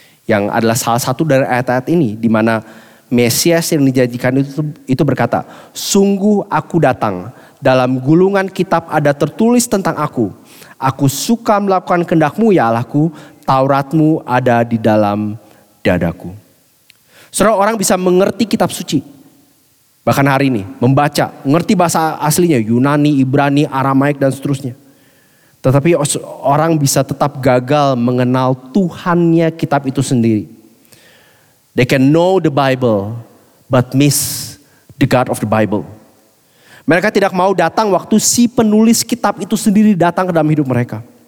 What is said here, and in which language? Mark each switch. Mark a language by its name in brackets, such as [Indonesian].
[Indonesian] Yang adalah salah satu dari ayat-ayat ini, di mana Mesias yang dijanjikan itu berkata, sungguh aku datang, dalam gulungan kitab ada tertulis tentang aku, aku suka melakukan kehendak-Mu ya Allahku, Taurat-Mu ada di dalam dadaku. Saudara, orang bisa mengerti kitab suci. Bahkan hari ini, membaca, ngerti bahasa aslinya, Yunani, Ibrani, Aramaik, dan seterusnya. Tetapi orang bisa tetap gagal mengenal Tuhannya kitab itu sendiri. [English] They can know the Bible, but miss the God of the Bible. [Indonesian] Mereka tidak mau datang waktu si penulis kitab itu sendiri datang ke dalam hidup mereka.